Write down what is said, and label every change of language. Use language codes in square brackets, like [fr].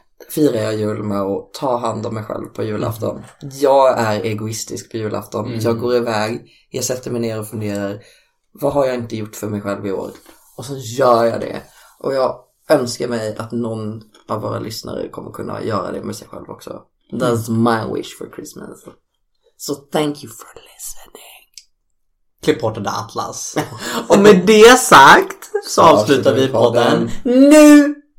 [sv] Firar jag jul med att ta hand om mig själv på julafton. Jag är egoistisk på julafton. Jag går iväg, jag sätter mig ner och funderar. Vad har jag inte gjort för mig själv i år? Och så gör jag det. Och jag önskar mig att någon av våra lyssnare kommer kunna göra det med sig själv också. [en] That's my wish for Christmas. So thank you for listening. [sv] Klipp bort den Atlas. Och med det sagt så avslutar vi podden. Nu!